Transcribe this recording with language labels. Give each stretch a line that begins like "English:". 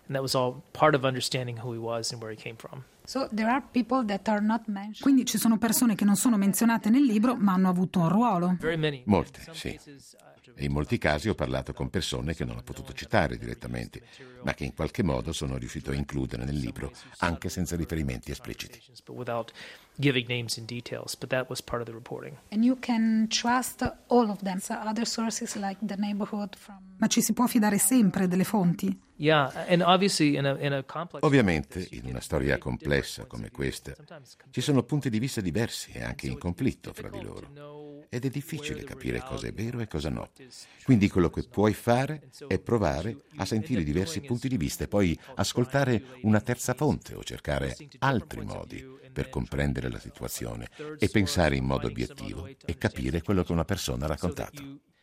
Italian: Quindi ci sono persone che non sono menzionate nel libro, ma hanno avuto un ruolo. Molte, sì. e in molti casi ho parlato con persone che non ho potuto citare direttamente, ma che in qualche modo sono riuscito a includere nel libro anche senza riferimenti espliciti.
English: Giving names in details, but that was part of the reporting. And you can trust all of them. So other sources like the neighborhood from.
Italian: Ma ci si può fidare sempre delle fonti?
English: Yeah, and obviously in a complex.
Italian: Ovviamente, in una storia complessa come questa, ci sono punti di vista diversi e anche in conflitto fra di loro. Ed è difficile capire cosa è vero e cosa no. Quindi quello che puoi fare è provare a sentire diversi punti di vista e poi ascoltare una terza fonte o cercare altri modi per comprendere la situazione e pensare in modo obiettivo e capire quello che una persona ha raccontato.